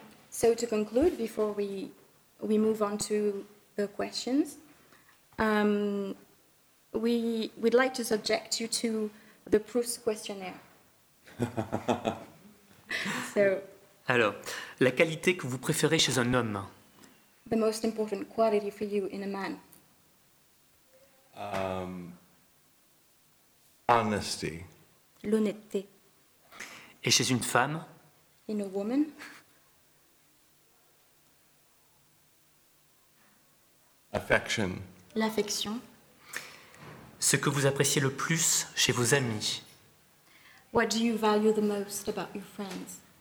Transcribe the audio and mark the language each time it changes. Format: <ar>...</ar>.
<en>So to conclude, before we move on to the questions, we'd like to subject you to the Proust questionnaire. So.</en> <fr>Alors, la qualité que vous préférez chez un homme.</fr> <en>The most important quality for you in a man. Honesty.</en> <fr>L'honnêteté. Et chez une femme?</fr> <en>In a woman. Affection.</en> <fr>L'affection. Ce que vous appréciez le plus chez vos amis?</fr> <en>What do you value the most about your friends?</en>